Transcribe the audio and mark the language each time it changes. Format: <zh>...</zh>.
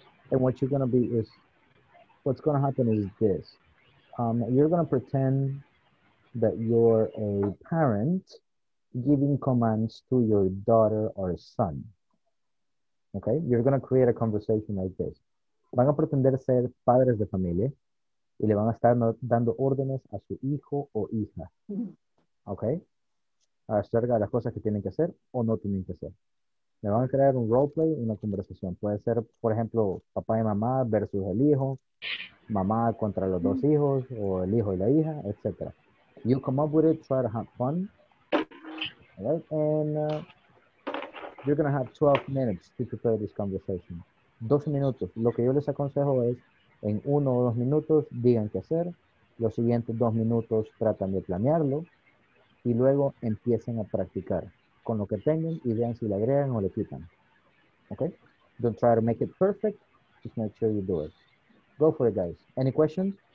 <en>And what you're gonna be is, what's gonna happen is this. You're gonna pretend that you're a parent giving commands to your daughter or son. Okay, you're gonna create a conversation like this.</en> <es>Van a pretender ser padres de familia y le van a estar dando órdenes a su hijo o hija. Okay, acerca de las cosas que tienen que hacer o no tienen que hacer. Le van a crear un roleplay, una conversación. Puede ser, por ejemplo, papá y mamá versus el hijo, mamá contra los dos hijos, o el hijo y la hija, etc.</es> <en>You come up with it, try to have fun. All right? And you're going to have 12 minutes to prepare this conversation.</en> <es>12 minutos. Lo que yo les aconsejo es, en uno o dos minutos, digan qué hacer. Los siguientes dos minutos, tratan de planearlo. Y luego, empiecen a practicar. Con lo que tengan y vean si le agregan o le quitan. Okay?</es> <en>Don't try to make it perfect. Just make sure you do it. Go for it, guys. Any questions?</en>